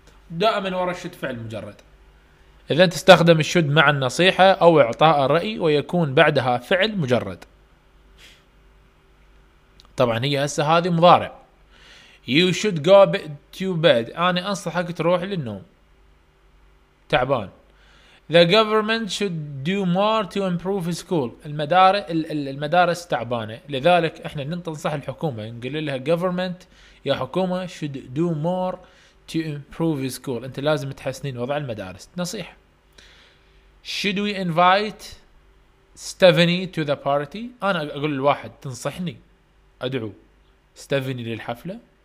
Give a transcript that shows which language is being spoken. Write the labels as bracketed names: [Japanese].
[Arabic] دائما وراء الشد فعل مجرد. إذا تستخدم الشد مع النصيحة أو إعطاء الرأي ويكون بعدها فعل مجرد. طبعا هي هسه هذه مضارع. [English] You should go to bed. [Arabic] أنا أنصحك تروح للنوم، تعبان. [English] The government should do more to improve school. [Arabic] المدارس تعبانة، لذلك إحنا ننصح الحكومة، نقول لها government يا حكومة [English] should do more to improve school. [Arabic] أنت لازم تحسنين وضع المدارس. نصيحة. [English] Should we invite Stephanie to the party؟ [Arabic] أنا أقول للواحد تنصحني أدعو ستيفاني للحفلة.